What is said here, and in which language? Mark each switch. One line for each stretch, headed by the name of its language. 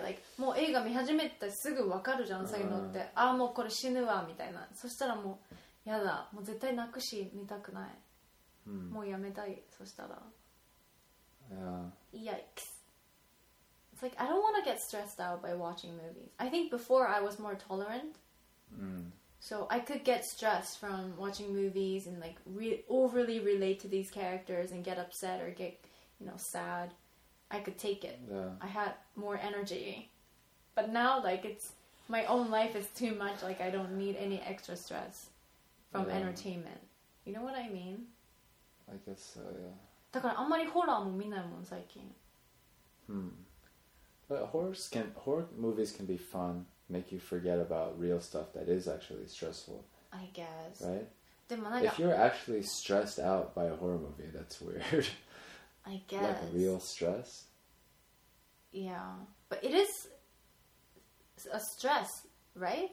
English: Like,
Japanese: もう映画見始めたらすぐ分かるじゃん、最後って。ああ、もうこれ死ぬわ、みたいな。そしたらもう、やだ。もう絶対泣くし、見たくない。 Hmm. もうやめたい、そしたら。
English: Yeah. Yikes. It's like, I don't want to get stressed out by watching movies. I think before I was more tolerant. Mm. So I could get stressed from watching movies and like overly relate to these characters and get upset or get, you know, sad. I could take it. Yeah. I had more energy. But now, like, it's... My own life is too much. Like, I don't need any extra stress from entertainment. You know what I mean? I guess so, yeah.
Japanese: だからあんまりホラーも見ないもん、最近。
English: Hmm. But horror movies can be fun. Make you forget about real stuff that is actually stressful. I guess. Right?
Japanese: でもなんか...
English: If you're actually stressed out by a horror movie, that's weird. I guess. Like real stress? Yeah. But it is a stress, right?